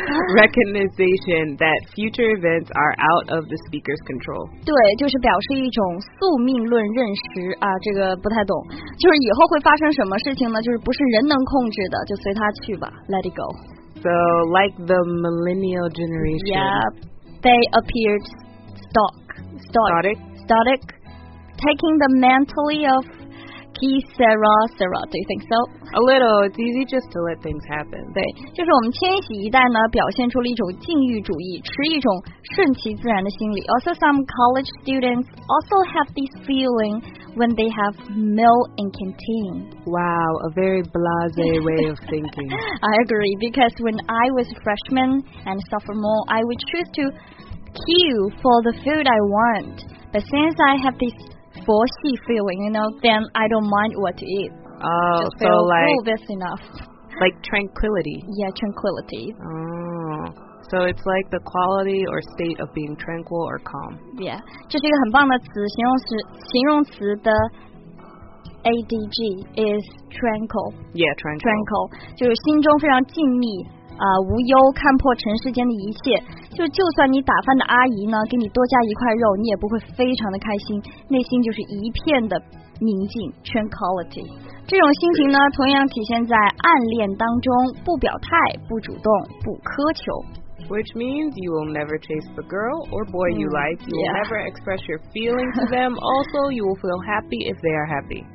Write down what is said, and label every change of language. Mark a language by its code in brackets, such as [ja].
[en] Recognition that future events are out of the speaker's control. [zh] 对，就是表示一种宿命论认识啊，这个不太懂。就是以后会发生什么事情呢？就是不是人能控制的，就随他去吧， [en] let it go. So, like the millennial generation. Yep, they appeared static, taking the mentally of... Sarah, do you think so? A little, it's easy just to let things happen. [zh] 对，就是我们千禧一代呢，表现出了一种禁欲主义，持一种顺其自然的心理。 [en] Also, some college students also have this feeling when they have meal in canteen. Wow, a very blasé way of thinking. I agree, because when I was a freshman and sophomore, I would choose to queue for the food I want. But since I have this... 佛系 feeling, you know, then I don't mind what to eat. Oh, just feel so like, cool, that's enough. Like tranquility. Yeah, tranquility. Oh, so it's like the quality or state of being tranquil or calm. [zh] Yeah, 这是一个很棒的词，形容词的 [en] ADG is tranquil. Yeah, tranquil. [zh] Tranquil, 就是心中非常静谧。无忧，看破尘世间的一切。就算你打饭的阿姨呢给你多加一块肉，你也不会非常的开心，内心就是一片的宁静 tranquility。这种心情呢同样体现在暗恋当中，不表态，不主动，不苛求。 [en] Which means you will never chase the girl or boy you like. You will never express your feelings to them. Also, you will feel happy if they are happy.